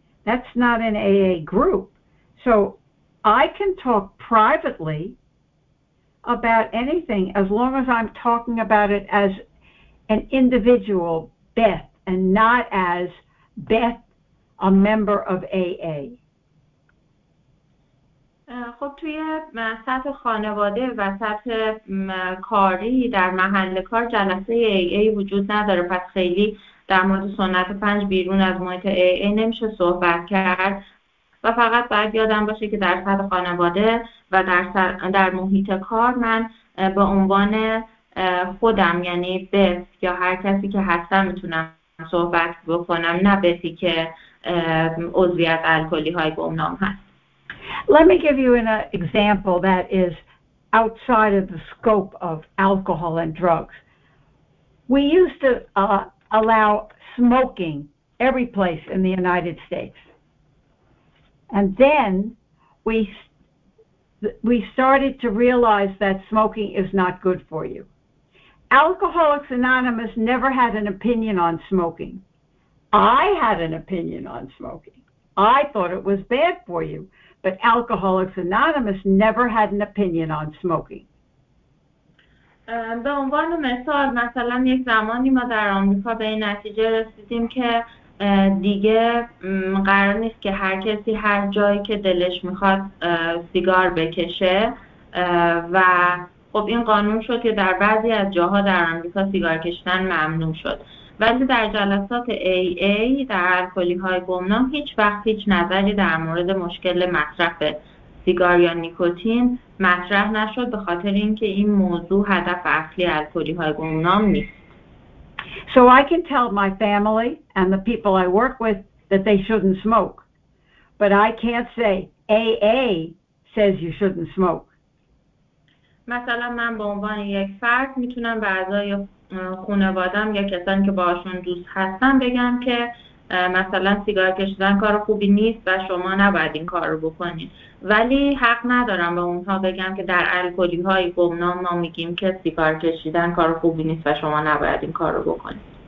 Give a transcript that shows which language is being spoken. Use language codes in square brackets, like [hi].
[en] That's not an AA group. So I can talk privately about anything as long as I'm talking about it as an individual, Beth, and not as Beth, a member of AA. [fa] خب توی سطح خانواده و سطح کاری در محل کار جلسه AA وجود نداره، پس خیلی در مورد سنت پنج بیرون از محیط AA نمیشه صحبت کرد و فقط باید یادم باشه که در سطح خانواده و در محیط کار من به عنوان خودم، یعنی بس یا هر کسی که هستم، میتونم صحبت بکنم، نه بسی که عضویت الکلی های گم نام هست. [en] Let me give you an example that is outside of the scope of alcohol and drugs. We used to allow smoking every place in the United States. And then we started to realize that smoking is not good for you. Alcoholics Anonymous never had an opinion on smoking. I had an opinion on smoking. I thought it was bad for you. But Alcoholics Anonymous never had an opinion on smoking. [fa] به عنوان مثال، مثلا یک زمانی ما در آمریکا به این نتیجه رسیدیم که دیگه قرار نیست که هر کسی هر جایی که دلش میخواد سیگار بکشه، و خب این قانون شد که در بعضی از جاها در آمریکا سیگار کشیدن ممنوع شد. ولی در جلسات AA در الکلی های گمنام هیچ وقت هیچ نظری در مورد مشکل مصرف سیگار یا نیکوتین مطرح نشد، به خاطر اینکه این موضوع هدف اصلی الکلی های گمنام نیست. [en] So I can tell my family and the people I work with that they shouldn't smoke. But I can't say AA says you shouldn't smoke. [fa] مثلا من به عنوان یک فرد میتونم به اعضای خانواده‌ام یا کسانی که باهاشون دوست هستم بگم که مثلا سیگار کشیدن کار خوبی نیست و شما نباید این کار رو بکنید، ولی حق ندارم به اونها بگم که در الکلی‌های گمنام ما میگیم که سیگار کشیدن کار خوبی نیست و شما نباید این کار رو بکنید.